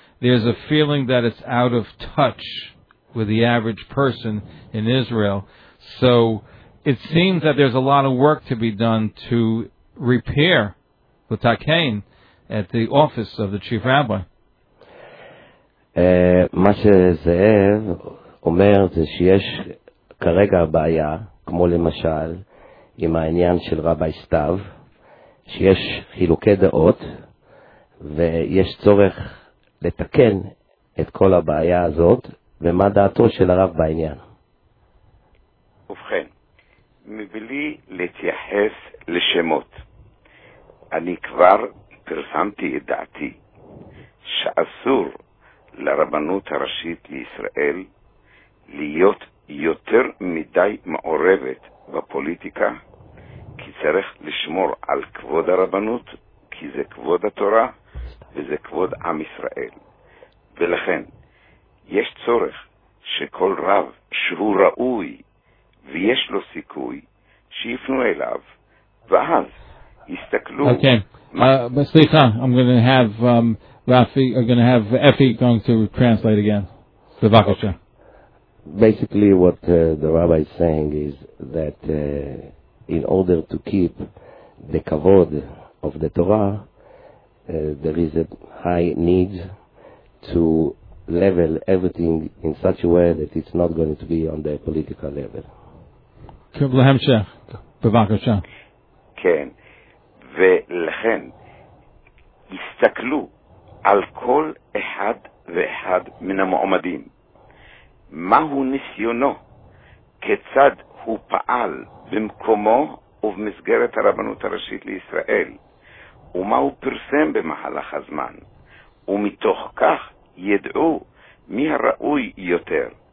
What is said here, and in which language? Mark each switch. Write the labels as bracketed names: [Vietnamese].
[English] There's a feeling that it's out of touch with the average person in Israel. So it seems that there's a lot of work to be done to repair the Takein at the office of the Chief Rabbi. [Hebrew] מה שזאב אומר זה שיש כרגע בעיה, כמו למשל, עם העניין של רבי סתיו, שיש חילוקי דעות, ויש צורך לתקן את כל הבעיה הזאת, ומה דעתו של הרב בעניין. ובכן, מבלי להתייחס לשמות, אני כבר פרסמתי את דעתי שאסור לרבנות הראשית לישראל להיות יותר מדי מעורבת בפוליטיקה, כי צריך לשמור על כבוד הרבנות, כי זה כבוד התורה וזה כבוד עם ישראל. ולכן יש צורך שכל רב שהוא ראוי ויש לו סיכוי שיפנו אליו, ואז יסתכלו. [English] Okay. I'm going to have Rafi, I'm going to have Effie going to translate again. [Hebrew] בבקשה. [English] Basically, what the rabbi is saying is that in order to keep the kavod of the Torah, there is a high need to level everything in such a way that it's not going to be on the political level. [Hebrew] קבל המשך, בבקשה. כן, ולכן הסתכלו על כל אחד ואחד מן המועמדים. מהו ניסיונו, כיצד הוא פעל במקומו ובמסגרת הרבנות הראשית לישראל, ומה הוא פרסם במהלך הזמן, ומתוך כך ידעו מי הראוי יותר.